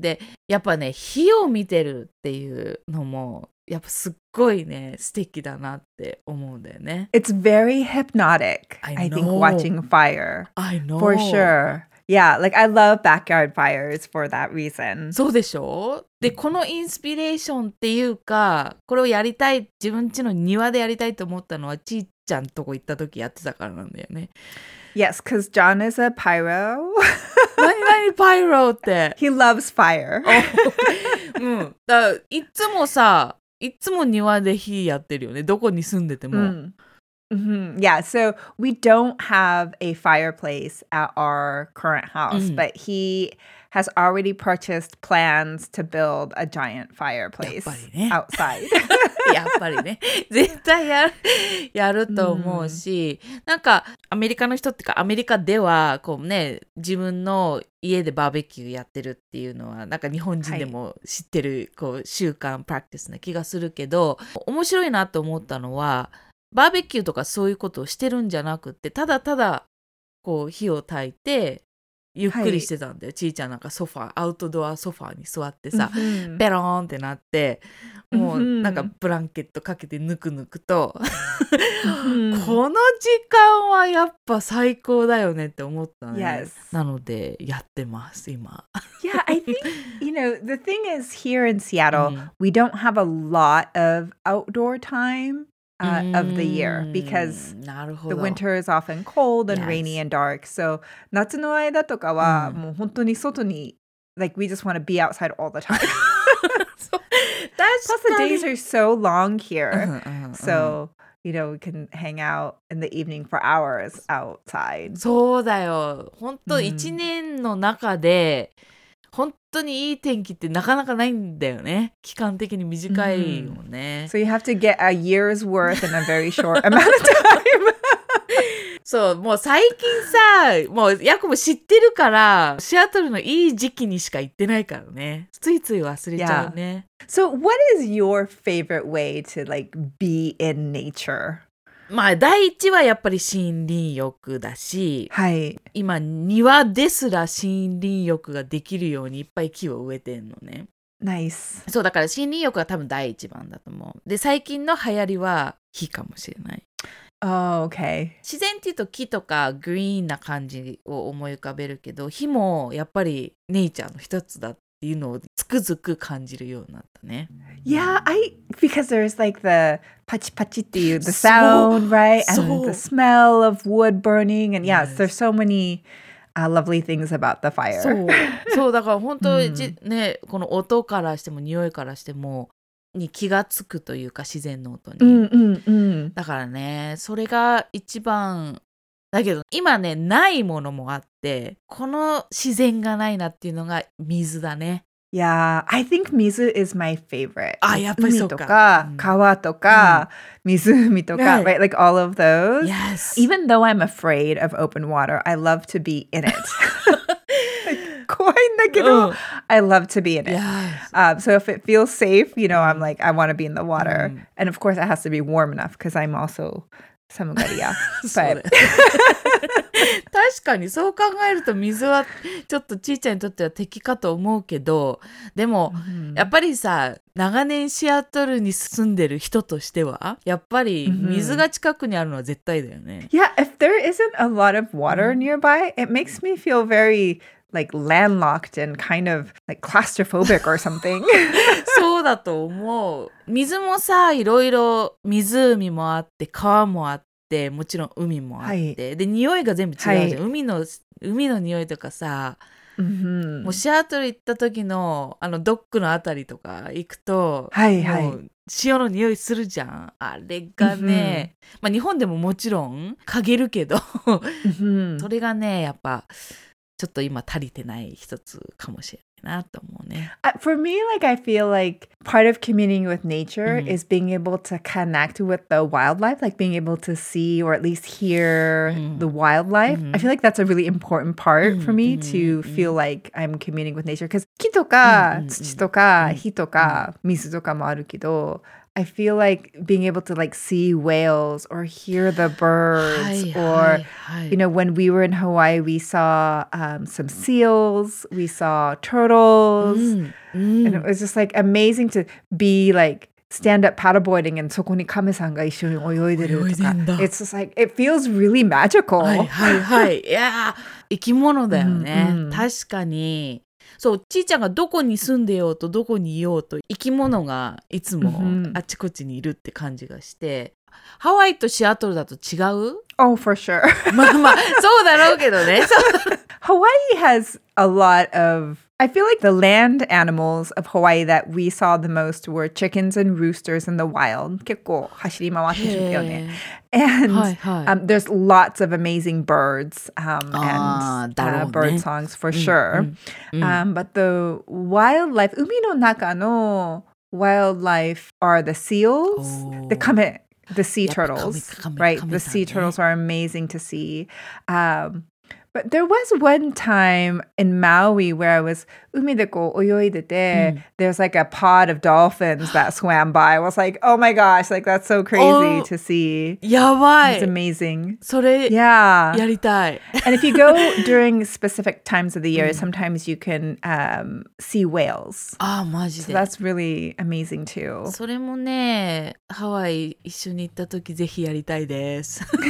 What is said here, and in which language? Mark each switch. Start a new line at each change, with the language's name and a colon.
Japanese: でやっぱね、火を見てるっていうのもやっぱすっごいね、素敵だなって思うんだよね。
English: It's very hypnotic, I think, watching fire. I know. For sure. Yeah, like I love backyard fires for that reason.
Japanese: そうでしょ? で、このインスピレーションっていうか、これをやりたい、自分家の庭でやりたいと思ったのは、ちーちゃんとこ行った時やってたからなんだよね。
English: Yes, because John is a pyro.
Japanese: 何々パイロって。
English: He loves fire.
Japanese: 、うん、だからいつもさ、いつも庭で火やってるよね。どこに住んでても。 Mm. Mm-hmm.
English: Yeah, so we don't have a fireplace at our current house, but he... has already purchased plans to build a giant fireplace outside.
Japanese: やっぱりね。絶対やると思うし、なんかアメリカの人っていうか、アメリカではこうね、自分の家でバーベキューやってるっていうのは、なんか日本人でも知ってるこう習慣、プラクティスな気がするけど、面白いなと思ったのは、バーベキューとかそういうことをしてるんじゃなくて、ただただこう火を焚いてゆっくりしてたんだよ、はい、ちいちゃんなんかソファーアウトドアソファーに座ってさ、うん、ベローンってなってもうなんかブランケットかけてぬくぬくと、うん、この時間はやっぱ最高だよねって思ったね、
English: yes.
Japanese: なのでやってます今
English: Yeah, I think, you know, the thing is here in Seattle、うん、we don't have a lot of outdoor timeof the year because the winter is often cold and、yes. rainy and dark. So,
Japanese: 夏の間とかは、
English: mm.
Japanese: もう本当に外に
English: like we just want to be outside all the time. so, that's Plus, the days are so long here. So, you know, we can hang out in the evening for hours outside.
Japanese: そうだよ。本当1年の中で本当にいい天気ってなかなかないんだよね。期間的に短いもんね。Mm-hmm.
English: So you have to get a year's worth in a very short amount of time.
Japanese: そう、もう最近さ、もうヤコも知ってるから、シアトルのいい時期にしか行ってないからね。ついつい忘れちゃうね。
English: Yeah. So what is your favorite way to like be in nature?
Japanese: まあ、第一はやっぱり森林浴だし、はい、今庭ですら森林浴ができるようにいっぱい木を植えてんのね。ナイス。そうだから森林浴は多分第一番だと思う。で最近の流行りは火かもしれない。
English: Oh, okay.
Japanese: 自然っていうと木とかグリーンな感じを思い浮かべるけど火もやっぱりネイチャーの一つだっていうのをつくづく感じるようになったね。
English: Yeah, I because there's like the
Japanese: パチパチっていう
English: the sound, right? And the smell of wood burning. And yes, there's so many、lovely things about the fire.
Japanese: そう、そうだから本当に、ね、この音からしても匂いからしてもに気がつくというか自然の音に。だからね、それが一番だけど今ねないものもあってこの自然がないなっていうのが水だね。
English: Yeah, I think 水 is my favorite.
Japanese: あ、やっぱりそうか。海とか、うん、川とか、うん、湖とか、
English: right? Like all of those. Yes. Even though I'm afraid of open water, I love to be in it.
Japanese: 怖いんだけど、
English: I love to be in it. Yes. So if it feels safe, you know, I'm like, I want to be in the water.、うん、And of course, it has to be warm enough because I'm also somebody else. But...
Japanese: 確かにそう考えると水はちょっとちいちゃんにとっては敵かと思うけどでもやっぱりさ長年シアトルに住んでる人としてはやっぱり水が近くにあるのは絶対だよね。
English: Yeah, if there isn't a lot of water nearby, it makes me feel very like landlocked and kind of like claustrophobic or something.
Japanese: そうだと思う。水もさいろいろ湖もあって川もあってでもちろん海もあって、はい、で匂いが全部違うじゃん、はい、海の匂いとかさ、うん、もうシアトル行った時のあのドックのあたりとか行くと、はいはい、もう塩の匂いするじゃんあれがね、うん、まあ日本でももちろん嗅げるけど、うん、それがねやっぱちょっと今足りてない一つかもしれないなと思うね。
English: For me, like I feel like part of communing with nature、うん、is being able to connect with the wildlife, like being able to see or at least hear、うん、the wildlife.、うん、I feel like that's a really important part、うん、for me、うん、to feel、うん、like I'm communing with nature. Because
Japanese: 木とか、うん、土とか、うん、火とか、うん、水とかもあるけど、
English: I feel like being able to like see whales or hear the birds
Japanese: はいはい、はい、
English: or, you know, when we were in Hawaii, we saw、some seals, we saw turtles,、 mm-hmm. and it was just like amazing to be like stand up paddleboarding and
Japanese: そこにカメさんが一緒に泳いでるとか。泳いでんだ。
English: It's just like, it feels really magical.
Japanese: はいはいはい。いや、生き物だよね。 Mm-hmm. 確かに。そう、ちいちゃんがどこに住んでようとどこにいようと生き物がいつもあちこちにいるって感じがして、ハワイとシアトルだと違う？
English: Oh, for sure.
Japanese: まあまあ、そうだろうけどね。
English: Hawaii has a lot of... I feel like the land animals of Hawaii that we saw the most were chickens and roosters in the wild.
Japanese: 結構走り回ってるよね。
English: And、
Japanese: はいはい
English: there's lots of amazing birds and、
Japanese: ね
English: bird songs for sure.、but the wildlife,
Japanese: 海の中の
English: wildlife are the seals, the kame, the sea turtles, right? The sea turtles are amazing to see.、 But there was one time in Maui where I was
Japanese: 海でこう泳いでて、
English: mm. there's like a pod of dolphins that swam by. I was like, oh my gosh, like that's so crazy、oh, to see.
Japanese: やばい。
English: It's amazing.
Japanese: それ、
English: yeah.
Japanese: やりたい。
English: And if you go during specific times of the year, sometimes you can、see whales.
Japanese: あ、マジで。
English: So that's really amazing too.
Japanese: それもね、ハワイ一緒に行った時ぜひやりたいです。